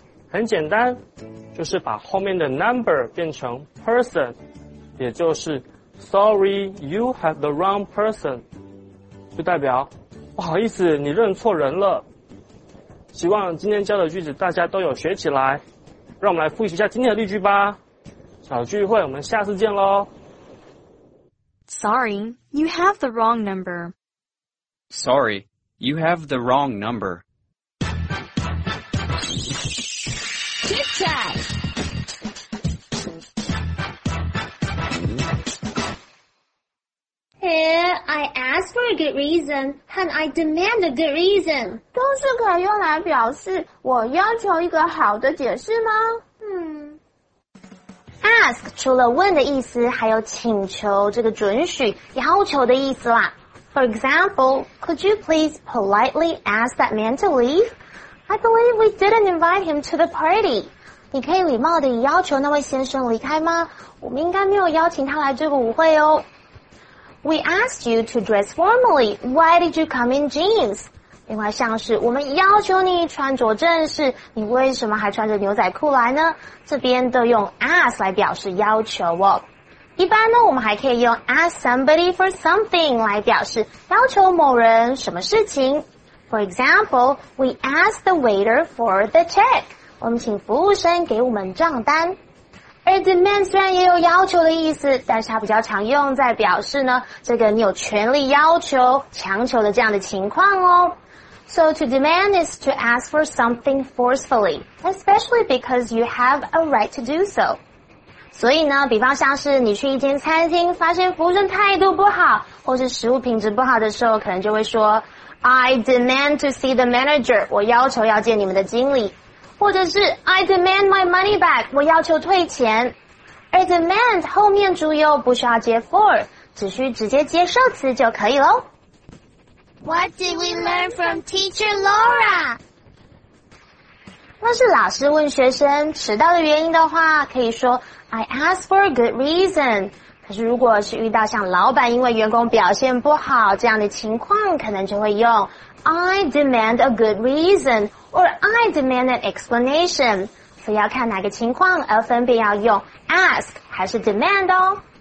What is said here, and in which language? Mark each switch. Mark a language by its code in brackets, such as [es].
[zh] 很简单，就是把后面的 number 变成 person， 也就是 [en] Sorry, you have the wrong person， [zh] 就代表不好意思，你认错人了。希望今天教的句子大家都有学起来，让我们来复习一下今天的例句吧。小聚会，我们下次见咯。 [en] Sorry, you have the wrong number. Sorry, you have the wrong number. Chit chat. Here, I ask for a good reason, and I demand a good reason. [zh] 都是可以用来表示我要求一个好的解释吗？ Ask 除了问的意思，还有请求这个准许、要求的意思啦。 [en] For example, could you please politely ask that man to leave? I believe we didn't invite him to the party. [zh] 你可以礼貌地要求那位先生离开吗？我们应该没有邀请他来这个舞会哦。 [en] We asked you to dress formally. Why did you come in jeans? [zh] 另外像是我们要求你穿着正式，你为什么还穿着牛仔裤来呢？这边都用 ask 来表示要求哦。一般呢，我们还可以用 [en] ask somebody for something [zh] 来表示要求某人什么事情。 [en] For example, we ask the waiter for the check. [zh] 我们请服务生给我们账单。而 demand 虽然也有要求的意思，但是它比较常用在表示呢，这个你有权利要求、强求的这样的情况哦。 [en] So to demand is to ask for something forcefully, especially because you have a right to do so. [zh] 所以呢，比方像是你去一间餐厅，发现服务生态度不好，或是食物品质不好的时候，可能就会说 [en] I demand to see the manager, [zh] 我要求要见你们的经理。或者是 [en] I demand my money back, [zh] 我要求退钱。而 demand 后面主语不需要接 for, 只需直接接受词就可以咯。 [en] What did we learn from teacher Laura? [zh] 那是老师问学生迟到的原因的话，可以说 [en] I asked for a good reason. [zh] 可是如果是遇到像老板因为员工表现不好这样的情况，可能就会用 [en] I demand a good reason or I demand an explanation. [zh] 所以要看哪个情况而分别要用 ask 还是 demand 哦。